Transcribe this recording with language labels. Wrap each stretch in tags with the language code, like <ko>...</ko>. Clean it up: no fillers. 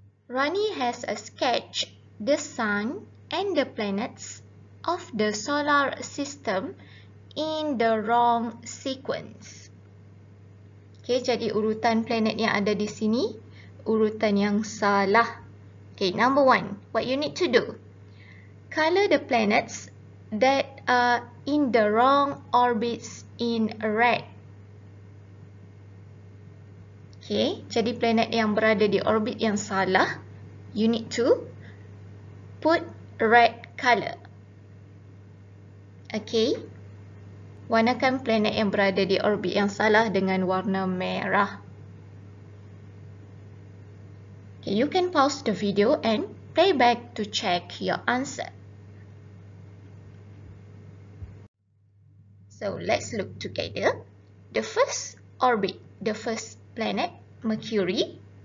<en>Ronnie has a sketch, the sun and the planets of the solar system in the wrong sequence.</en> <ms>Okay, jadi urutan planet yang ada di sini, urutan yang salah.</ms> <en>Okay, number one, what you need to do? Color the planets that are in the wrong orbits in red.</en> <ms>Okay, jadi planet yang berada di orbit yang salah,</ms> <en>you need to put red color.</en> <ms>Okay. Warnakan planet yang berada di orbit yang salah dengan warna merah.</ms> <en>Okay, you can pause the video and play back to check your answer. So, let's look together. The first orbit, the first planet, Mercury.</en>